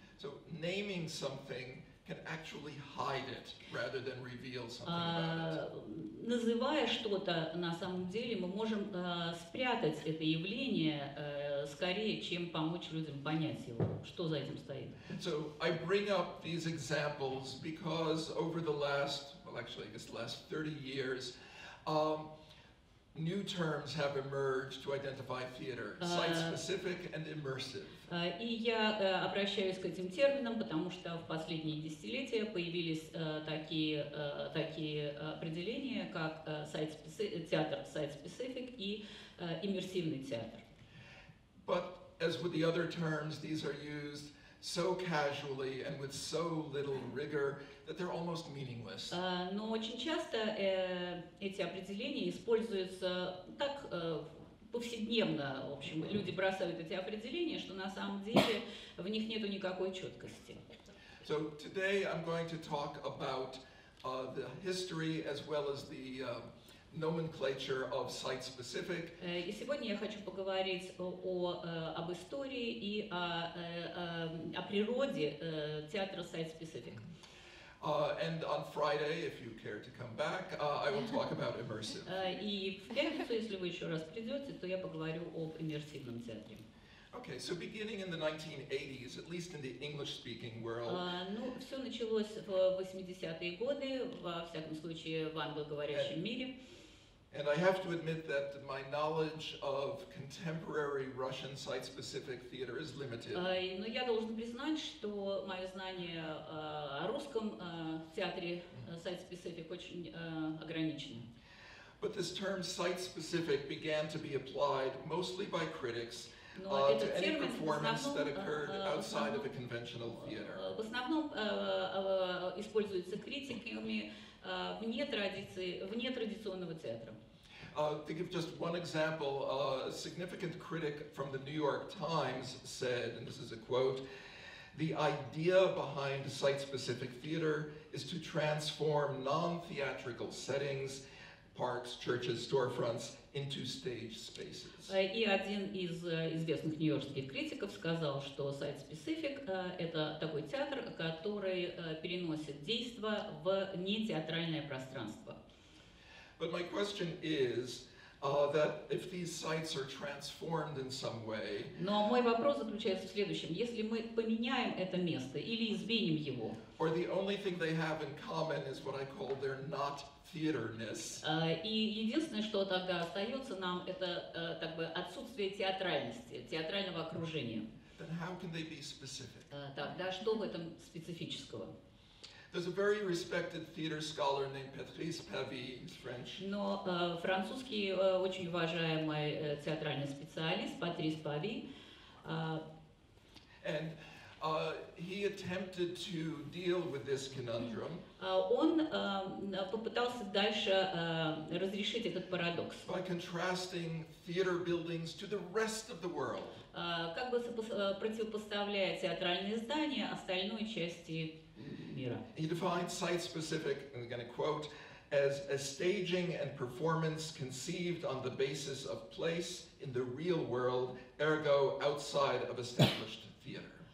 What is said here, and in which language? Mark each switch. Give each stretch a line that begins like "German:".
English: So naming something can actually hide it rather than reveal something about it.
Russian: Называя что-то, на самом деле мы можем спрятать это явление скорее, чем помочь людям понять его, что за этим стоит.
English: So I bring up these examples because over the last, well, actually, I guess the last 30 years, new terms have emerged to identify theater, site-specific and immersive.
Russian: И я обращаюсь к этим терминам, потому что в последние десятилетия появились такие определения, как театр site-specific и иммерсивный театр.
English: But as with the other terms, these are used so casually and with so little rigor that they're almost meaningless.
Russian: Но очень часто эти определения используются так повседневно, в общем, люди бросают эти определения, что на самом деле в них нету никакой четкости.
English: So today I'm going to talk about the history as well as the nomenclature of site-specific.
Russian: И сегодня я хочу поговорить об истории и о природе театра site-specific.
English: And on Friday, if you care to come back, I will talk about immersive.
Russian: И в пятницу, если вы еще раз придете, то я поговорю об иммерсивном театре.
English: Okay, so beginning in the 1980s, at least in the English-speaking world.
Russian: Ну, все началось в 80-е годы, во всяком случае, в англоговорящем мире.
English: And I have to admit that my knowledge of contemporary Russian site-specific theater is limited.
Russian: Но я должен признать, что мое знание о русском театре site-specific очень ограничено.
English: But this term site-specific began to be applied mostly by critics to any performance that occurred outside of a conventional theater.
Russian: В основном используется критиками вне традиционного театра.
English: To give just one example, a significant critic from the New York Times said, and this is a quote, "The idea behind site-specific theater is to transform non-theatrical settings, parks, churches, storefronts, into stage spaces."
Russian: И один из известных нью-йоркских критиков сказал, что site-specific это такой театр, который переносит действо в нетеатральное пространство.
English: But my question is that if these sites are transformed in some way.
Russian: Но мой вопрос заключается в следующем: если мы поменяем это место или изменим его.
English: Or the only thing they have in common is what I call their not theaterness.
Russian: И единственное, что тогда остается нам, это как бы отсутствие театральности, театрального окружения.
English: Then how can they be specific?
Russian: Тогда что в этом специфического?
English: There's a very respected theater scholar named Patrice Pavy, he's French.
Russian: Но французский очень уважаемый театральный специалист Патрис Пави.
English: And he attempted to deal with this conundrum.
Russian: Он попытался дальше разрешить этот парадокс.
English: By contrasting theater buildings to the rest of the world.
Russian: Как бы противопоставляя театральные здания остальной части мира.
English: He defined site-specific, I'm going to quote, as a staging and performance conceived on the basis of place in the real world, ergo outside of established theater.